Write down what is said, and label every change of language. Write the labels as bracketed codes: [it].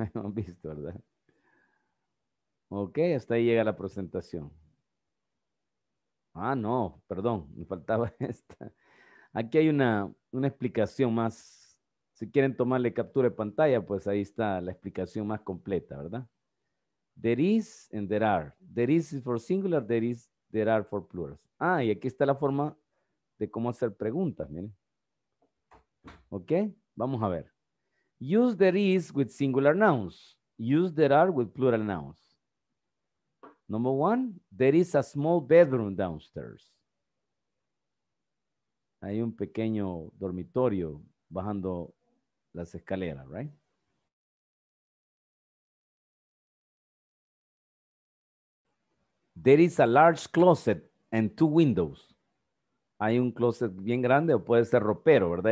[es] Hemos visto, ¿verdad? Ok, hasta ahí llega la presentación. Ah, no, perdón, me faltaba esta. Aquí hay una explicación más. Si quieren tomarle captura de pantalla, pues ahí está la explicación más completa, ¿verdad? [en] There is and there are. There is for singular, there are for plurals. [es] Ah, y aquí está la forma de cómo hacer preguntas, miren. [en] ¿Ok? [es] Vamos a ver. [en] Use there is with singular nouns. Use there are with plural nouns. Number one, there is a small bedroom downstairs. [es] Hay un pequeño dormitorio bajando las escaleras, right? [en] There is a large closet and 2 windows. [es] Hay un closet bien grande o puede ser ropero, ¿verdad?